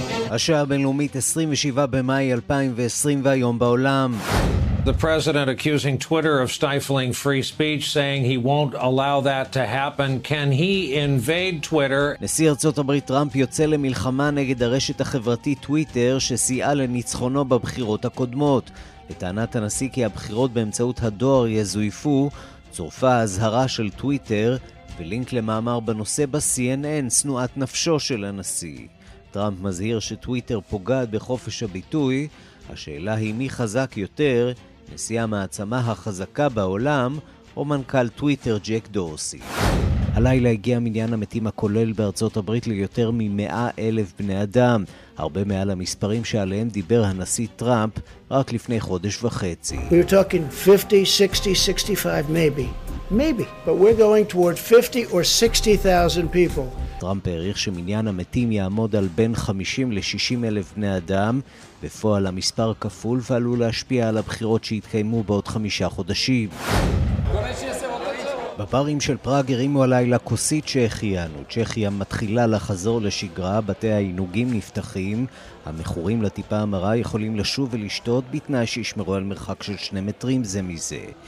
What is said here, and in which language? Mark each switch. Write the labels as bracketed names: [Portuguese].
[Hebrew] השעה הבינלאומית 27 במאי 2020 והיום בעולם. [English] The president accusing Twitter of stifling free speech, saying he won't allow that to happen. Can he invade Twitter? [Hebrew] נשיא ארצות הברית טראמפ יוצא למלחמה נגד הרשת החברתית טוויטר שסייעה לניצחונו בבחירות הקודמות. לטענת הנשיא כי הבחירות באמצעות הדואר יזויפו, צורפה הזהרה של טוויטר ולינק למאמר בנושא ב-CNN, שנועת נפשו של הנשיא. טראמפ מזהיר שטוויטר פוגעת בחופש הביטוי. השאלה היא מי חזק יותר, נשיא המעצמה החזקה בעולם או מנכ"ל טוויטר ג'ק דורסי. הלילה הגיע מניין המתים הכולל בארצות הברית ליותר מ-100,000 בני אדם, הרבה מעל המספרים שעליהם דיבר הנשיא טראמפ רק לפני חודש וחצי. [English] We're talking 50, 60, 65 maybe. Maybe, but we're going toward 50 or 60,000 people. [Hebrew] טראמפ העריך שמניין המתים יעמוד על בין 50-60 אלף בני אדם, בפועל המספר כפול ועלול להשפיע על הבחירות שהתקיימו בעוד 5 חודשים. בברים של פראג הרימו הלילה כוסית שהחיינו. צ'כיה מתחילה לחזור לשגרה, בתי העינוגים נפתחים, המחורים לטיפה המרה יכולים לשוב ולשתות בתנאי שישמרו על מרחק של 2 מטרים זה מזה.